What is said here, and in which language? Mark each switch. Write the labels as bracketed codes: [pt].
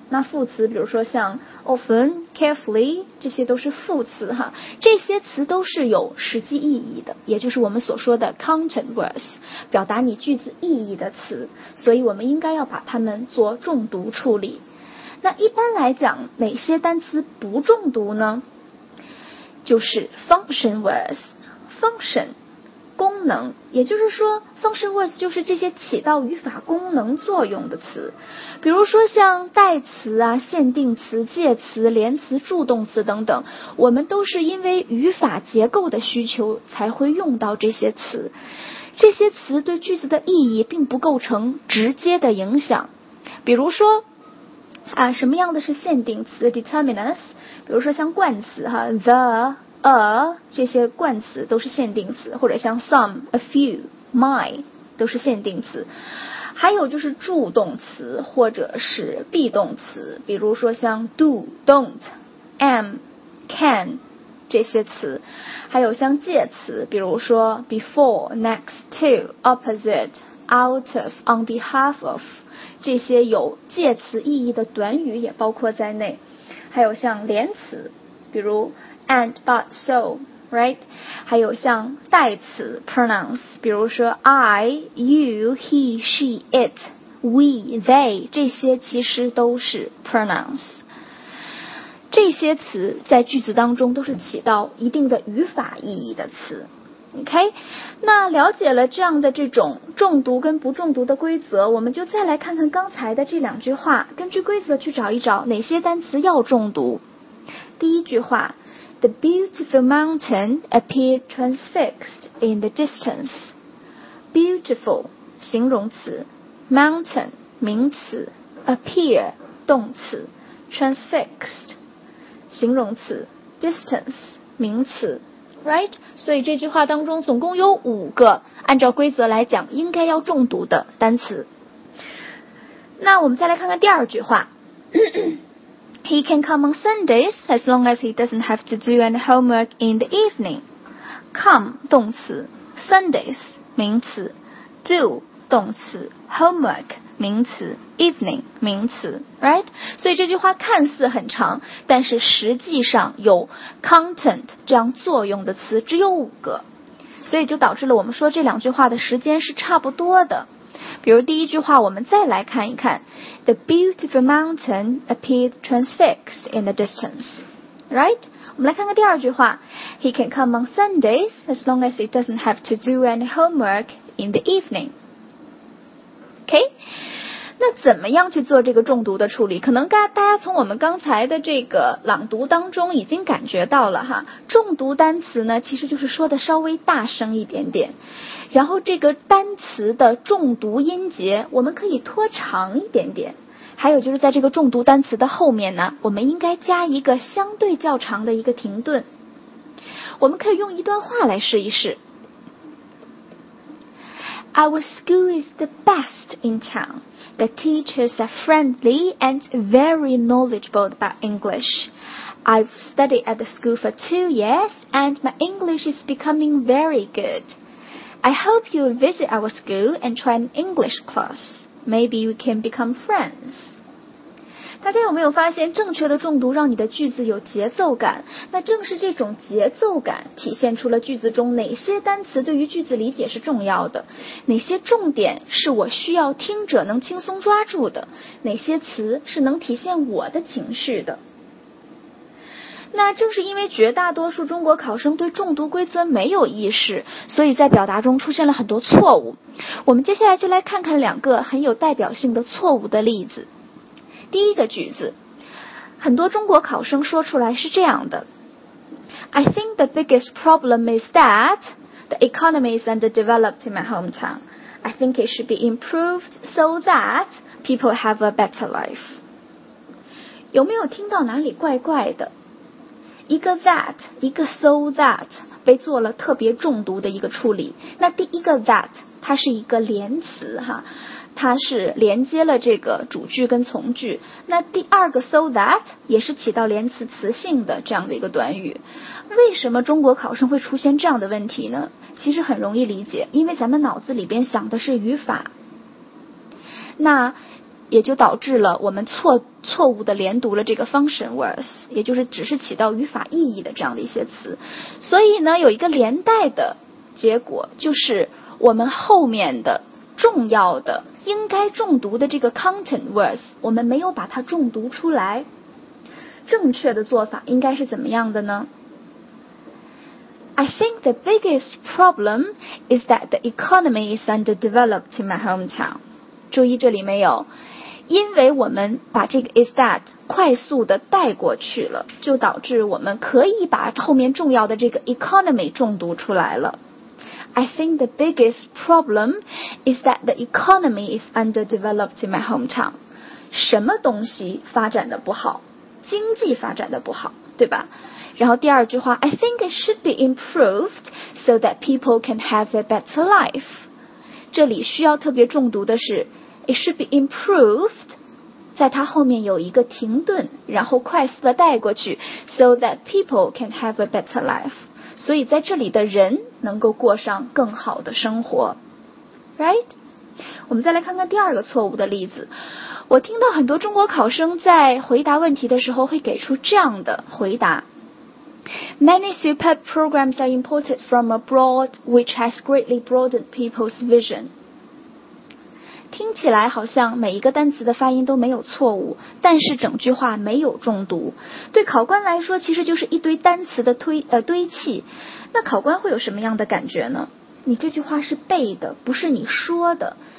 [zh] 那副词比如说像 often、 carefully， 这些都是副词哈。这些词都是有实际意义的，也就是我们所说的 content words， 表达你句子意义的词，所以我们应该要把它们做重读处理。那一般来讲哪些单词不重读呢？就是 function words。 function功能，也就是说 function words 就是这些起到语法功能作用的词，比如说像代词啊、限定词、介词、连词、助动词等等，我们都是因为语法结构的需求才会用到这些词。这些词对句子的意义并不构成直接的影响。比如说什么样的是限定词 determinants， 比如说像冠词哈 the、这些冠词都是限定词，或者像 some、 a few、 my 都是限定词。还有就是助动词或者是 be 动词，比如说像 do、 don't、 am、 can 这些词。还有像介词，比如说 before、 next、 to、 opposite、 out of, on behalf of， 这些有介词意义的短语也包括在内。还有像连词，比如 and, but, so, right？还有像代词 pronouns， 比如说 I, you, he, she, it, we, they， 这些其实都是 pronouns。这些词在句子当中都是起到一定的语法意义的词。 OK， 那了解了这样的这种重读跟不重读的规则，我们就再来看看刚才的这两句话，根据规则去找一找哪些单词要重读。第一句话 [en] The beautiful mountain appeared transfixed in the distance. [zh] Beautiful 形容词， mountain 名词， appear 动词， transfixed 形容词， distance 名词，Right， 所以这句话当中总共有五个按照规则来讲应该要重读的单词。那我们再来看看第二句话 [en] He can come on Sundays as long as he doesn't have to do any homework in the evening. [zh] Come 动词， Sundays 名词， do 动词， homework名词， evening 名词， right？所以这句话看似很长，但是实际上有 content 这样作用的词只有五个，所以就导致了我们说这两句话的时间是差不多的。比如第一句话我们再来看一看， [en] The beautiful mountain appeared transfixed in the distance， right？ [zh] 我们来看看第二句话， [en] He can come on Sundays as long as he doesn't have to do any homework in the eveningOK， [zh] 那怎么样去做这个重读的处理？可能大家从我们刚才的这个朗读当中已经感觉到了哈，重读单词呢，其实就是说的稍微大声一点点，然后这个单词的重读音节我们可以拖长一点点，还有就是在这个重读单词的后面呢，我们应该加一个相对较长的一个停顿。我们可以用一段话来试一试。 [en] Our school is the best in town. The teachers are friendly and very knowledgeable about English. I've studied at the school for 2 years and my English is becoming very good. I hope you'll visit our school and try an English class. Maybe we can become friends. [zh] 大家有没有发现，正确的重读让你的句子有节奏感？那正是这种节奏感体现出了句子中哪些单词对于句子理解是重要的，哪些重点是我需要听者能轻松抓住的，哪些词是能体现我的情绪的。那正是因为绝大多数中国考生对重读规则没有意识，所以在表达中出现了很多错误。我们接下来就来看看两个很有代表性的错误的例子。第一个句子，很多中国考生说出来是这样的 [en] I think the biggest problem is that the economy is underdeveloped in my hometown. I think it should be improved so that people have a better life. [zh] 有没有听到哪里怪怪的？一个 that， 一个 so that 被做了特别重读的一个处理。那第一个 that 它是一个连词哈，它是连接了这个主句跟从句，那第二个 so that 也是起到连词词性的这样的一个短语。为什么中国考生会出现这样的问题呢？其实很容易理解，因为咱们脑子里边想的是语法，那也就导致了我们错误的连读了这个 function words， 也就是只是起到语法意义的这样的一些词。所以呢，有一个连带的结果，就是我们后面的重要的应该重读的这个 content words 我们没有把它重读出来。正确的做法应该是怎么样的呢？ [en] I think the biggest problem is that the economy is underdeveloped in my hometown. [zh] 注意这里没有，因为我们把这个 is that 快速的带过去了，就导致我们可以把后面重要的这个 economy 重读出来了。 [en] I think the biggest problem is that the economy is underdeveloped in my hometown. [zh] 什么东西发展的不好？经济发展的不好，对吧？然后第二句话 [en] I think it should be improved so that people can have a better life. [zh] 这里需要特别重读的是 [en] It should be improved [zh] 在它后面有一个停顿，然后快速的带过去 [en] So that people can have a better life. [zh] 所以在这里的人能够过上更好的生活 Right? 我们再来看看第二个错误的例子。我听到很多中国考生在回答问题的时候会给出这样的回答。 [en] Many superb programs are imported from abroad, which has greatly broadened people's vision. [zh] 听起来好像每一个单词的发音都没有错误，但是整句话没有重读。对考官来说，其实就是一堆单词的堆砌。那考官会有什么样的感觉呢？你这句话是背的，不是你说的。